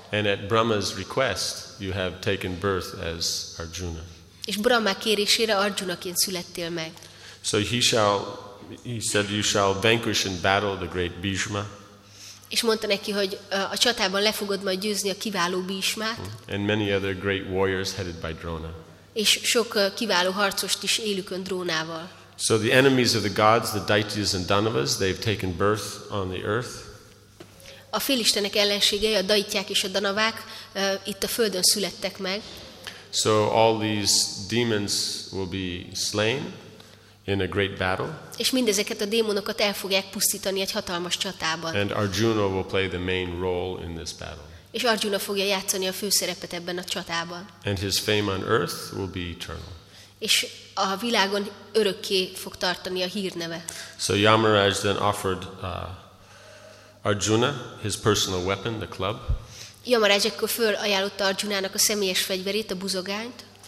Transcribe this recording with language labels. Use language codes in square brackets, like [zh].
[en] And at Brahma's request, you have taken birth as Arjuna. [hu] És Brahma kérésére Arjunaként születtél meg. [en] So he said you shall vanquish in battle the great Bhishma. [hu] És mondta neki, hogy a csatában le fogod majd győzni a kiváló Bhishmát. [en] And many other great warriors headed by Drona. [hu] És sok kiváló harcost is élükön Drónával. [en] So the enemies of the gods, the deities and Danavas, they've taken birth on the earth. [hu] A félistenek ellenségei, a daityák és a danavák itt a földön születtek meg. [en] So all these demons will be slain in a great battle. [hu] És mindezeket a démonokat el fogják pusztítani egy hatalmas csatában. [en] And Arjuna will play the main role in this battle. [hu] És Arjuna fogja játszani a főszerepet ebben a csatában. [en] And his fame on earth will be eternal. [hu] És a világon örökké fog tartani a hírneve. [en] So Yamaraj then offered Arjuna his personal weapon, the club. [hu] Yamaraj ekkor fölajánlotta Arjunának a személyes fegyverét, a buzogányt.